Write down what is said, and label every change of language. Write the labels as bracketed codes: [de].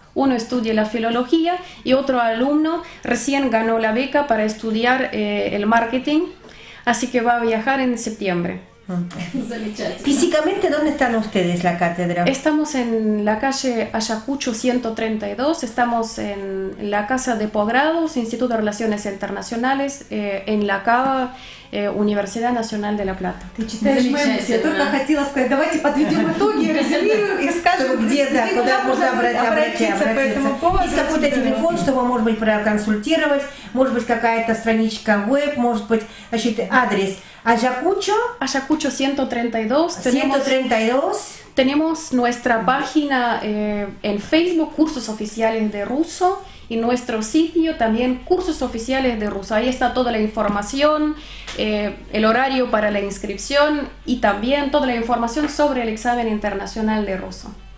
[es] Uno estudia la filología y otro alumno recién ganó la beca para estudiar el marketing, así que va a viajar en septiembre. ¿Físicamente dónde están ustedes, la cátedra? Estamos en la calle Ayacucho 132, estamos en la Casa de Posgrados, Instituto de Relaciones Internacionales, en la CABA, [ru] Университет Национальной Ла Плата. Ты читаешь мои мысли. Я только хотела сказать, давайте подведем итоги, резюмируем и скажем, где, да, куда можно обратиться по этому поводу. Есть какой-то телефон, чтобы, может быть, проконсультировать, может быть, какая-то страничка веб, может быть, значит, адрес. [es] Ayacucho. Ayacucho 132. 132. Tenemos nuestra página en Facebook, Cursos Oficiales de Ruso, y nuestro sitio también, Cursos Oficiales de Ruso. Ahí está toda la información, el horario para la inscripción y también toda la información sobre el examen internacional de ruso.